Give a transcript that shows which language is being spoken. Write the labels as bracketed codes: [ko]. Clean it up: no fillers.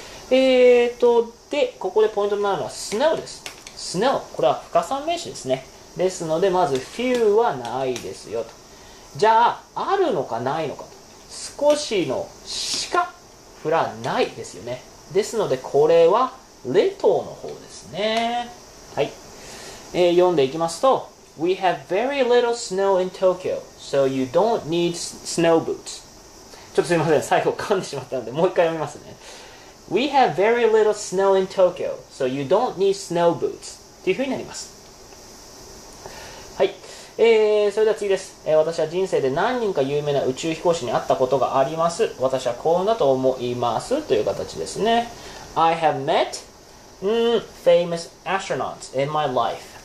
[ja] で、ここでポイントになるのは、スノーです。スノー。これは不可算名詞ですね。ですので、まず、few はないですよと。じゃあ、あるのかないのかと。少しのしか降らないですよね。ですので、これは、little の方ですね。はい。読んでいきますと、 [en] We have very little snow in Tokyo, so you don't need snow boots. [ja] ちょっとすみません。最後噛んでしまったので、もう一回読みますね。 [en] We have very little snow in Tokyo, so you don't need snow boots. [ja] というふうになります。はい。それでは次です。私は人生で何人か有名な宇宙飛行士に会ったことがあります。私は幸運だと思います。という形ですね。 [en] I have met famous astronauts in my life.